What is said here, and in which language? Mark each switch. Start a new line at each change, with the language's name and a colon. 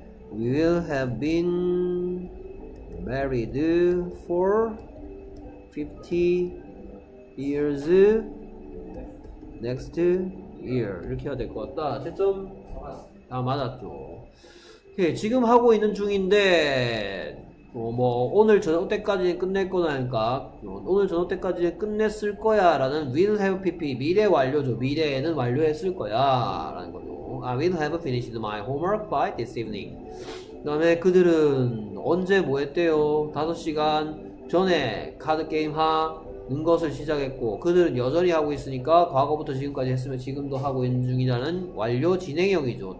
English: We will have been married for 50 years next year.
Korean: 이렇게 해야 될것 같다. 채점. 다 맞았죠. 예, 지금 하고 있는 중인데, 뭐 오늘 저녁 때까지는 끝낼 거라니까, 오늘 저녁 때까지는 끝냈을 거야라는 will have PP 미래 완료죠. 미래에는 완료했을 거야라는 거죠.
English: I will have finished my homework by this evening.
Korean: 그다음에 그들은 언제 뭐 했대요? 5시간 전에 카드 게임 하는 것을 시작했고, 그들은 여전히 하고 있으니까 과거부터 지금까지 했으면 지금도 하고 있는 중이라는 완료 진행형이죠.